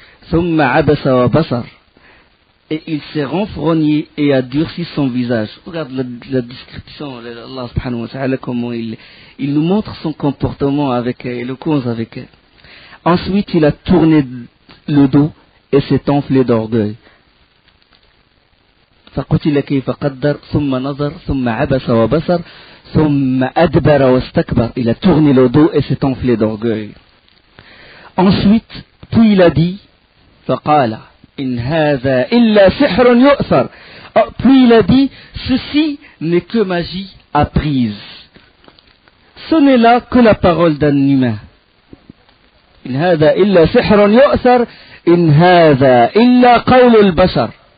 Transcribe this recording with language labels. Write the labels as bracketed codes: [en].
[ar] Thumma abasa wa basar. [fr] Et il s'est renfrogné et a durci son visage. Regarde la description, Allah subhanahu wa ta'ala, comment il nous montre son comportement avec éloquence avec elle. Ensuite, il a tourné le dos et s'est enflé d'orgueil. [ar] فقتل كيف قدر ثم نظر ثم عبس وبصر ثم أدبر واستكبر. [fr] Il a tourné le dos et s'est enflé d'orgueil. Ensuite, puis il a dit, [ar] فقال إن هذا إلا سحر يؤثر. [fr] Puis il a dit, ceci n'est que magie apprise. Ce n'est là que la parole d'un humain. [ar] إن هذا إلا سحر يؤثر إن هذا إلا قول البشر.